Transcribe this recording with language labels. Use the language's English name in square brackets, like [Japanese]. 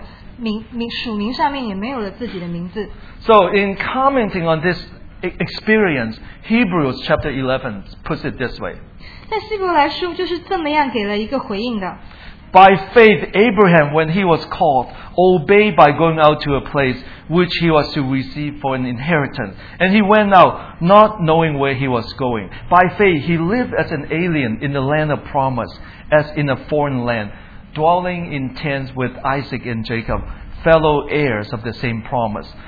[Chinese] 所以说，最后亚伯兰决定去到其他地方的时候，他可以说是没有了国家的归属感，没有了族裔的归属感，同时他也没有属名上面也没有了自己的名字。 [English] So in commenting on this experience, Hebrews chapter 11 puts it this way. [Chinese] 但希伯来书就是这么样给了一个回应的。 [English] By faith, Abraham, when he was called, obeyed by going out to a place which he was to receive for an inheritance. And he went out, not knowing where he was going. By faith, he lived as an alien in the land of promise, as in a foreign land, dwelling in tents with Isaac and Jacob, fellow heirs of the same promise.